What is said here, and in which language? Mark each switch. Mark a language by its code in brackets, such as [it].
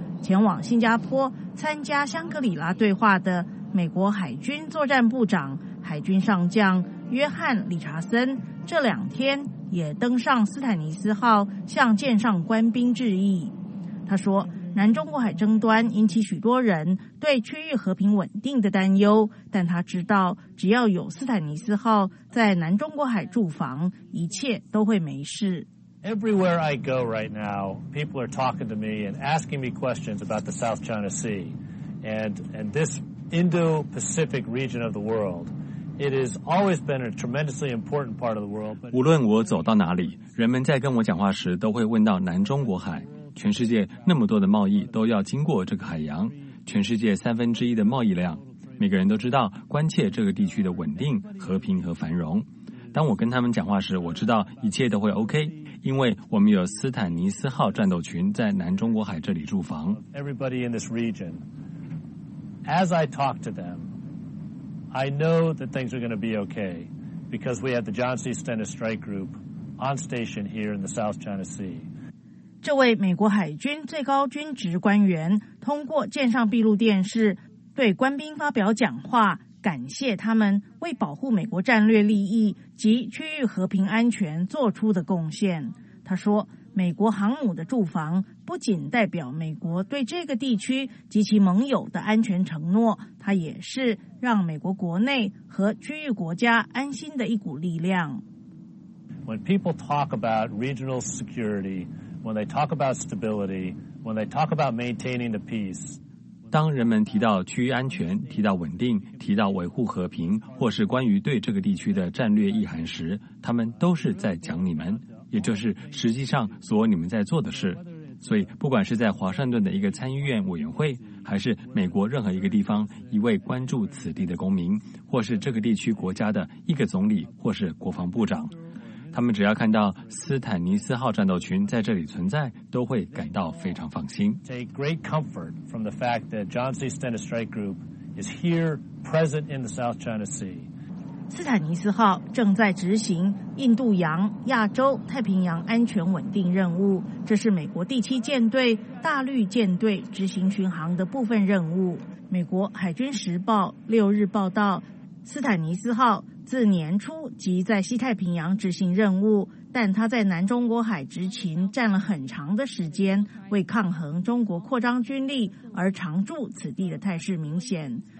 [zh] 前往新加坡参加香格里拉对话的美国海军作战部长、海军上将约翰·理查森这两天也登上斯坦尼斯号向舰上官兵致意。他说，南中国海争端引起许多人对区域和平稳定的担忧，但他知道只要有斯坦尼斯号在南中国海驻防，一切都会没事。 [en] Everywhere I go right now, people are talking to me and asking me questions about the South China Sea and this Indo-Pacific region of the world. It has always been a tremendously important part of the world. [zh] 无论我走到哪里，人们在跟我讲话时都会问到南中国海。全世界那么多的贸易都要经过这个海洋，全世界三分之一的贸易量，每个人都知道关切这个地区的稳定、和平和繁荣。当我跟他们讲话时，我知道一切都会 OK， 因为我们有斯坦尼斯号战斗群在南中国海这里驻防。 [en] Everybody in this region, as I talk to them. I know that things are going to be okay because we have the John C. Stennis Strike Group on station here in the South China Sea. [zh] 这位美国海军最高军职官员通过舰上闭路电视对官兵发表讲话，感谢他们为保护美国战略利益及区域和平安全做出的贡献。他说，美国航母的驻防不仅代表美国对这个地区及其盟友的安全承诺，它也是让美国国内和区域国家安心的一股力量。 [en] When people talk about regional security, when they talk about stability, when they talk about maintaining the peace, [zh] 当人们提到区域安全、提到稳定、提到维护和平，或是关于对这个地区的战略意涵时，他们都是在讲你们。也就是实际上所你们在做的事，所以不管是在华盛顿的一个参议院委员会，还是美国任何一个地方一位关注此地的公民，或是这个地区国家的一个总理或是国防部长，他们只要看到斯坦尼斯号战斗群在这里存在，都会感到非常放心。 [en] Take great comfort from the fact that John C. Stennis Strike Group is here present in the South China Sea. [zh] 斯坦尼斯号正在执行印度洋、亚洲、太平洋安全稳定任务，这是美国第七舰队大绿舰队执行巡航的部分任务。美国海军时报六日报道，斯坦尼斯号自年初即在西太平洋执行任务，但它在南中国海执勤占了很长的时间，为抗衡中国扩张军力而常驻此地的态势明显。